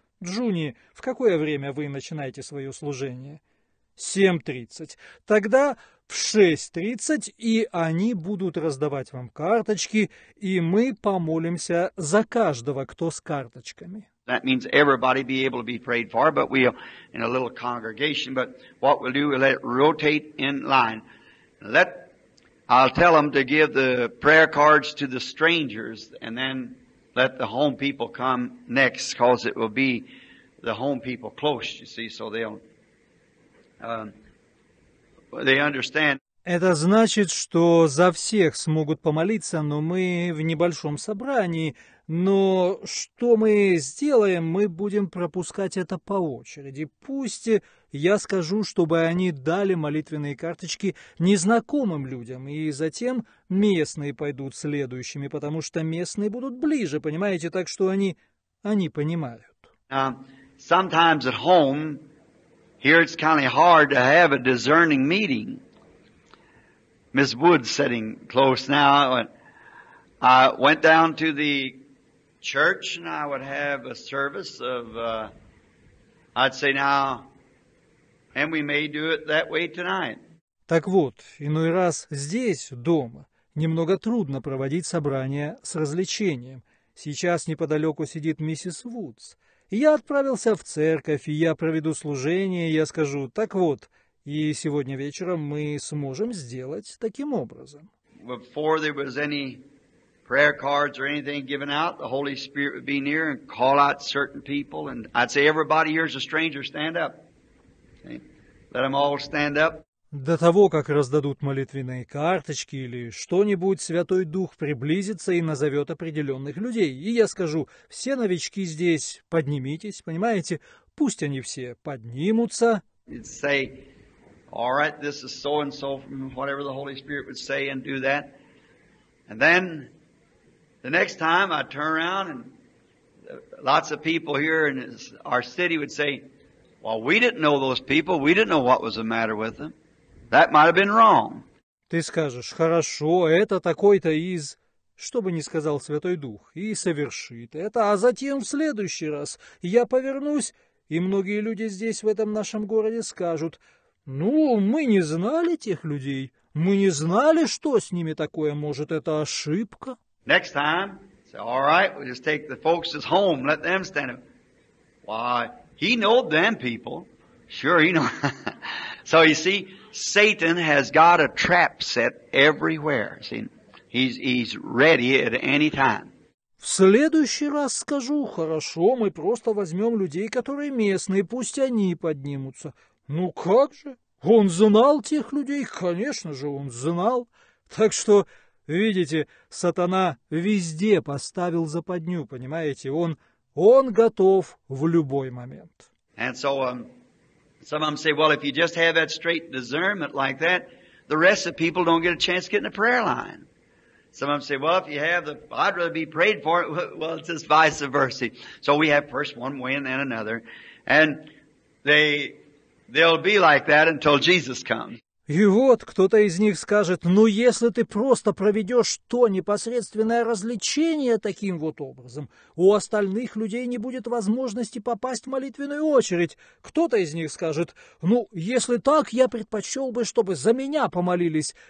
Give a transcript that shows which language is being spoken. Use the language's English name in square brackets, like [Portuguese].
[Russian] Джуни, в какое время вы начинаете свое служение? 7:30. Тогда в 6:30, и они будут раздавать вам карточки, и мы помолимся за каждого, кто с карточками. [English] That means everybody be able to be prayed for, but we'll in a little congregation. But what we'll do, we'll let it rotate in line. I'll tell them to give the prayer cards to the strangers, and then let the home people come next, because it will be the home people close, you see, so they understand. [Russian] Это значит, что за всех смогут помолиться, но мы в небольшом собрании. Но что мы сделаем, мы будем пропускать это по очереди. Пусть я скажу, чтобы они дали молитвенные карточки незнакомым людям, и затем местные пойдут следующими, потому что местные будут ближе, понимаете, так что они понимают. [English] Sometimes at home, here it's kind of hard to have a discerning meeting. Miss Wood's sitting close now. I went down to the church and I would have a service of, I'd say now, and we may do it that way tonight. [Russian] Так вот, иной раз здесь, дома, немного трудно проводить собрание с развлечением. Сейчас неподалеку сидит миссис Вудс. Я отправился в церковь, и я проведу служение, и я скажу, так вот, и сегодня вечером мы сможем сделать таким образом. [English] Before there was any prayer cards or anything given out, the Holy Spirit would be near and call out certain people, and I'd say, everybody here is a stranger, stand up. Let them all stand up. [Russian] До того, как раздадут молитвенные карточки или что-нибудь, Святой Дух приблизится и назовет определенных людей. И я скажу, все новички здесь, поднимитесь, понимаете? Пусть они все поднимутся. [English] And say, all right, this is so-and-so from whatever the Holy Spirit would say and do that. And then, the next time I turn around and lots of people here in our city would say, well, we didn't know those people. We didn't know what was the matter with them. That might have been wrong. [Russian] Ты скажешь, хорошо, это такой-то из, что бы ни сказал Святой Дух, и совершит это. А затем в следующий раз я повернусь, и многие люди здесь, в этом нашем городе, скажут, ну, мы не знали тех людей. Мы не знали, что с ними такое. Может, это ошибка? [English] Next time, say, all right, we'll just take the folks at home, let them stand up. Why? He knowed them people. Sure, he knows. So you see, Satan has got a trap set everywhere. See, he's ready at any time. [Russian] В следующий раз скажу, хорошо, мы просто возьмем людей, которые местные, пусть они поднимутся. Ну как же? Он знал тех людей, конечно же, он знал. Так что, видите, сатана везде поставил западню, понимаете? Он готов в любой момент. [English] And so, some of them say, well, if you just have that straight discernment like that, the rest of people don't get a chance to get in the prayer line. Some of them say, well, if you have the, I'd rather be prayed for. Well, it's just vice versa. So we have first one way and then another. And they'll be like that until Jesus comes. [Russian] И вот кто-то из них скажет, ну, если ты просто проведешь то непосредственное развлечение таким вот образом, у остальных людей не будет возможности попасть в молитвенную очередь. Кто-то из них скажет, ну, если так, я предпочел бы, чтобы за меня помолились.